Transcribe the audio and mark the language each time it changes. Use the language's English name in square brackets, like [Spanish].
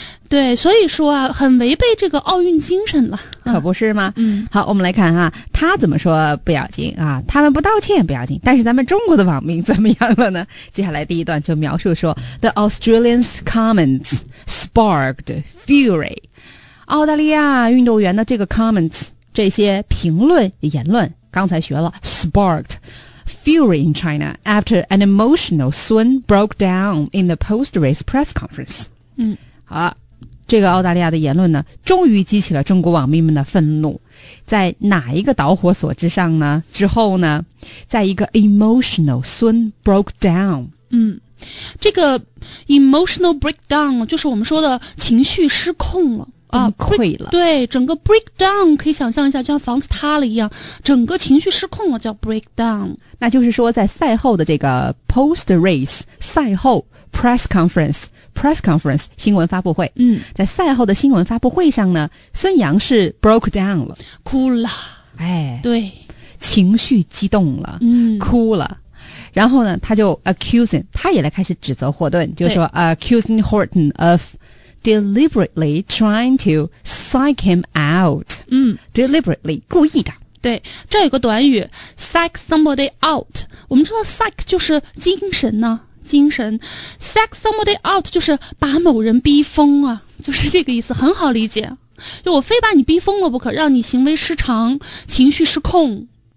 [Chinese] 对，所以说啊，很违背这个奥运精神了，可不是吗？嗯，好，我们来看哈，他怎么说不要紧啊，他们不道歉不要紧，但是咱们中国的网民怎么样了呢？接下来第一段就描述说 ， [English] The Australians' comments sparked fury。 [Chinese] 澳大利亚运动员的这个 comments 这些评论言论，刚才学了 [English] sparked fury in China after an emotional Sun broke down in the post-race press conference。 [Chinese] 嗯。好，这个澳大利亚的言论呢，终于激起了中国网民们的愤怒。在哪一个导火索之上呢？之后呢？在一个 [English] emotional Sun broke down。 [Chinese] 嗯，这个 emotional breakdown 就是我们说的情绪失控了，崩溃了。对，整个 breakdown 可以想象一下，就像房子塌了一样，整个情绪失控了叫 breakdown。那就是说，在赛后的这个 post race 赛后 press conference。 press conference 新闻发布会，嗯，在赛后的新闻发布会上呢，孙杨是 broke down 了，哭了，哎，对，情绪激动了，嗯，哭了，然后呢，他就 accusing， 他也来开始指责霍顿，就说 [English] accusing Horton of deliberately trying to psych him out， [Chinese] 嗯，deliberately 故意的。对，这有个短语 [English] psych somebody out， [Chinese] 我们知道 psych 就是精神呢。精神 ， [English] psych somebody out [Chinese] 就是把某人逼疯啊，就是这个意思，很好理解。就我非把你逼疯了不可，让你行为失常，情绪失控。